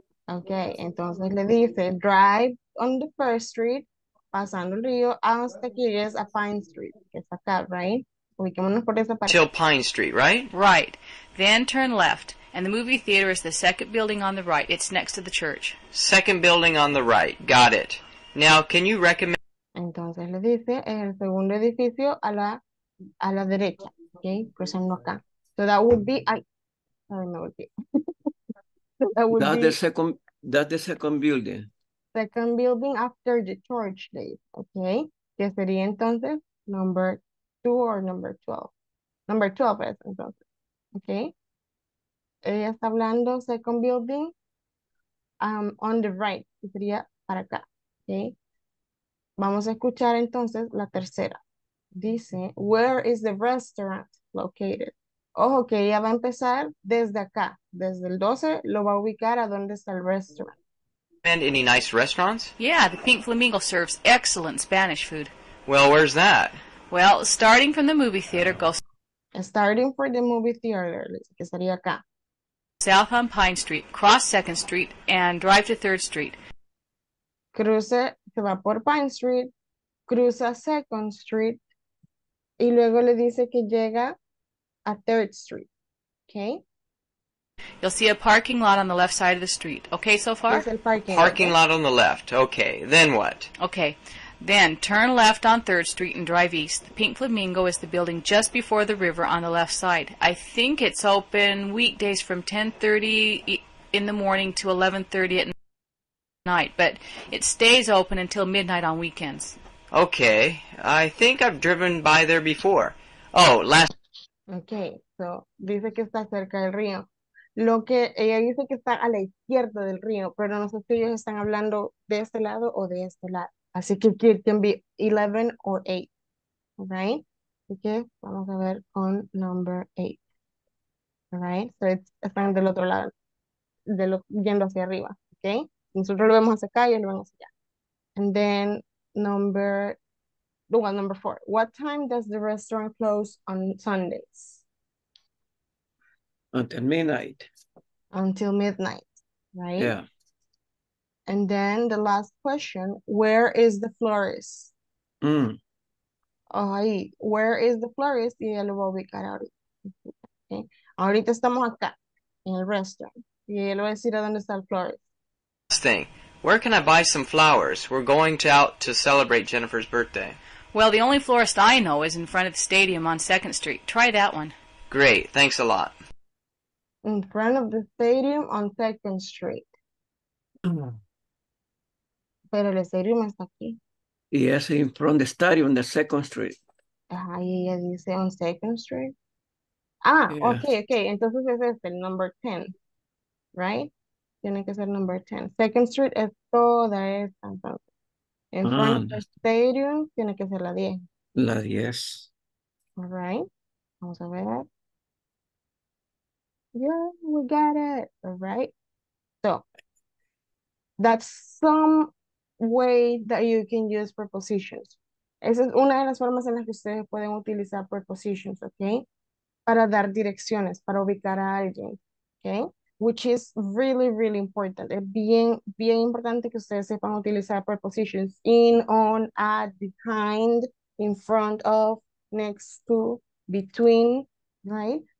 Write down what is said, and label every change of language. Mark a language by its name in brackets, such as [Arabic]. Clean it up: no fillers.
[Spanish] Okay, entonces le dice, [English] drive on the First Street, [Spanish] pasando el río, hasta que llegues a Pine Street. Que es acá, right? Ubiquémonos por esa parte. [English] Until Pine Street, right? Right. Then turn left, and the movie theater is the second building on the right. It's next to the church. Second building on the right. Got it. Now, can you recommend... [Spanish] Entonces le dice, es el segundo edificio a la derecha, okay? Cruzando acá. [English] So that would be... That's the second building. Second building after the church days, okay? [Spanish] Que sería entonces [English] number 2 or number 12. [Spanish] Number 12 es entonces, okay? Ella está hablando [English] second building on the right, [Spanish] que sería para acá. Okay. Vamos a escuchar entonces la tercera. Dice, [English] where is the restaurant located? [Spanish] Ojo que ella va a empezar desde acá. Desde el 12 lo va a ubicar a dónde está el restaurant. [English] And any nice restaurants? Yeah, the Pink Flamingo serves excellent Spanish food. Well, where's that? Well, starting from the movie theater goes... Starting from the movie theater, [Spanish] que sería acá. [English] South on Pine Street, cross 2nd Street, and drive to 3rd Street. [Spanish] Cruce, se va por Pine Street, cruza Second Street, y luego le dice que llega a Third Street, okay? [English] You'll see a parking lot on the left side of the street, okay so far? [Spanish] Es el parking. [English] Parking lot on the left, okay, then what? Okay, then turn left on Third Street and drive east. The Pink Flamingo is the building just before the river on the left side. I think it's open weekdays from 10:30 in the morning to 11:30 at night. night, but it stays open until midnight on weekends. Okay, I think I've driven by there before. Oh, last... [Spanish] Okay, so, dice que está cerca del río. Lo que ella dice que está a la izquierda del río, pero no sé si ellos están hablando de este lado o de este lado. Así que [English] it can be 11 or 8, right? [Spanish] Así que vamos a ver con number 8, right? So, it's, están del otro lado, de lo, yendo hacia arriba, okay? Nosotros lo vemos hacia acá y lo vemos hacia allá. [English] And then number 4. What time does the restaurant close on Sundays? Until midnight. Until midnight, right? Yeah. And then the last question, where is the florist? Mm. [Spanish] Ahí, [English] where is the florist? [Spanish] Y ella lo va a ubicar ahorita. Okay. Ahorita estamos acá, en el restaurant. Y ella lo va a decir a dónde está el florist. [English] Last thing, where can I buy some flowers? We're going to out to celebrate Jennifer's birthday. Well, the only florist I know is in front of the stadium on 2nd Street. Try that one. Great, thanks a lot. In front of the stadium on 2nd Street. [Spanish] Pero el stadium está aquí. [English] Yes, in front of the stadium on the 2nd Street. [Spanish] Ahí ella dice [English] on 2nd Street. [Spanish] Ah, yes. Okay. Entonces es este, number 10. Right? Tiene que ser number 10. 2nd Street es toda esta. [English] In front of the stadium [Spanish] tiene que ser la 10. La 10. [English] All right. [Spanish] Vamos a ver. [English] Yeah, we got it, all right? So, that's some way that you can use prepositions. [Spanish] Esa es una de las formas en las que ustedes pueden utilizar prepositions, okay? Para dar direcciones, para ubicar a alguien, okay? [English] Which is really, really important. [Spanish] Es bien, bien importante que ustedes sepan utilizar prepositions [English] in, on, at, behind, in front of, next to, between, right?